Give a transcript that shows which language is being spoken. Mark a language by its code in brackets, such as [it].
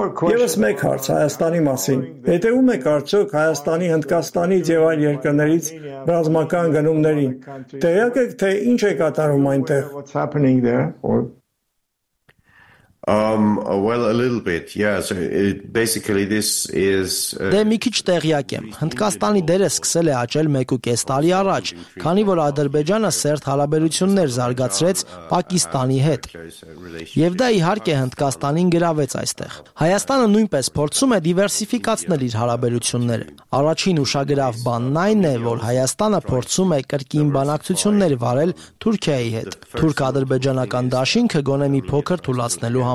[hy] Եվս մեկ հարց Հայաստանի մասին։ Հետևում եք արդյոք Հայաստանի, Հնդկաստանից և այլ երկրներից ռազմական գնումներին, տեղյակ եք, թե ինչ է կատարում այնտեղ։ [en] Well, a little bit. Yeah, so basically this is [hy] Դե մի քիչ տեղյակ եմ։ Հնդկաստանի դերը սկսել է աճել 1.5 տարի առաջ, քանի որ Ադրբեջանը սերտ հարաբերություններ զարգացրեց Պակիստանի հետ։ Եվ դա իհարկե Հնդկաստանին գրավեց այստեղ։ Հայաստանը նույնպես փորձում է դիվերսիֆիկացնել իր հարաբերությունները։ Առաջին ուշագրավ բանն այն է, որ Հայաստանը փորձում է կրկին բանակցություններ վարել Թուրքիայի հետ։ Թուրք-ադրբեջանական դաշինքը գոնե մի փոքր թուլացնելու համար։